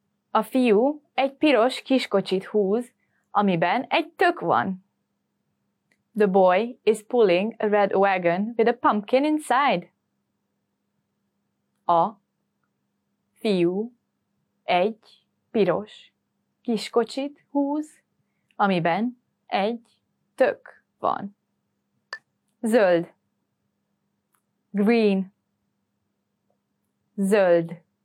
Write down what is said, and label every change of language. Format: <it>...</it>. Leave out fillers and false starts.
<hu>A fiú egy piros kiskocsit húz, amiben egy tök van.</hu> <en>The boy is pulling a red wagon with a pumpkin inside.</en> <hu>A fiú egy piros kiskocsit húz, amiben egy tök van. Zöld. Green. Zöld.</hu>